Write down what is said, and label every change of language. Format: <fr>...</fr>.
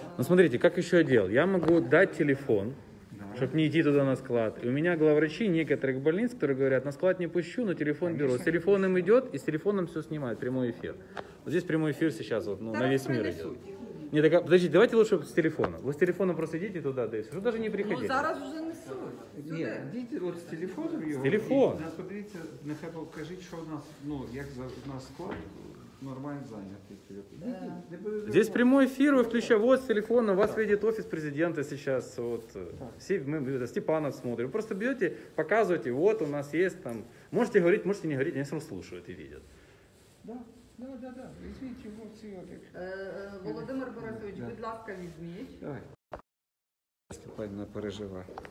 <ru>Ну, смотрите,</ru> <uk>як ще я діл. Я можу дати телефон.</uk> <ru>чтобы не идти туда на склад. И у меня главврачи некоторых больниц, которые говорят, на склад не пущу, но телефон беру. С телефоном идет и с телефоном все снимает, прямой эфир. Вот здесь прямой эфир сейчас вот, ну, на весь мир идет. Не, так, подождите, давайте лучше с телефона. Вы с телефона просто идите туда, да, если даже не приходите.</ru> <uk>Ну, зараз уже не суть.</uk> <ru>Нет, идите вот с телефоном его. С телефон. Да, смотрите,</ru> <uk>нехай</uk> <ru>покажите, что у нас, ну, как за, у нас склад нормально занят. Да. Здесь прямой эфир, вы включаете, вот с телефона, вас да. Видит офис президента сейчас, вот, да. Все, мы, это, Степанов смотрим. Вы просто берете, показываете, вот у нас есть там, можете говорить, можете не говорить, они все равно слушают и видят.</ru> <uk>Да. Да, візьміть його цілий. Володимир Борисович, будь ласка, візьміть. Давай. Степанівна пережива.</uk>